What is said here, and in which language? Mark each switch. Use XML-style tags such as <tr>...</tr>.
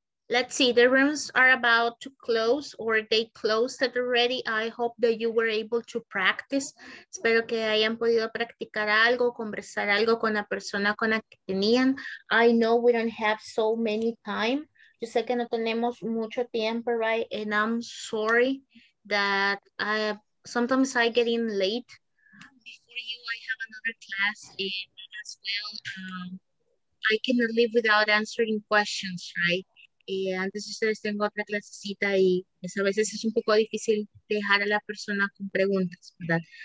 <en>Let's see, the rooms are about to close or they closed already. I hope that you were able to practice.</en> <es>Espero que hayan podido practicar algo, conversar algo con la persona con la que tenían.</es> <en>I know we don't have so many time.</en> <es>Yo sé que no tenemos mucho tiempo,</es> <en>right? And I'm sorry that I sometimes I get in late. Before you, I have another class in as well. I cannot live without answering questions, right?</en> <es>Y antes ustedes tengo otra clasecita y es, a veces es un poco difícil dejar a la persona con preguntas, ¿verdad?</es>